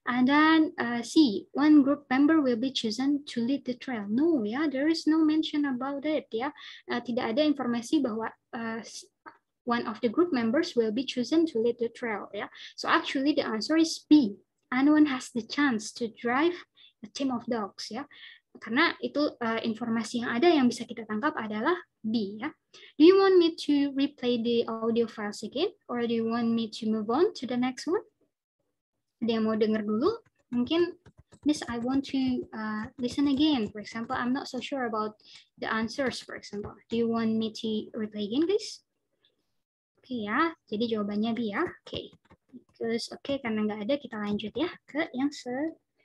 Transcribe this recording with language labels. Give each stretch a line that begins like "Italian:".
English: And then C, one group member will be chosen to lead the trail. No ya, yeah, there is no mention about it ya, yeah.
Indonesian: Tidak ada informasi bahwa
English: one of the group members will be chosen to lead the trail ya, yeah. So actually the answer is B, anyone has the chance to drive a team of dogs, ya.
Indonesian: Karena itu informasi yang ada yang bisa kita tangkap adalah B, ya.
English: Do you want me to replay the audio files again, or do you want me to move on to the next one?
Indonesian: Ada yang mau dengar dulu? Mungkin,
English: Miss, I want to listen again. For example, I'm not so sure about the answers. For example, do you want me to replay again, please?
Indonesian: Okay, ya. Jadi jawabannya B, ya. Okay. Terus, okay, karena nggak ada, kita lanjut ya ke yang se.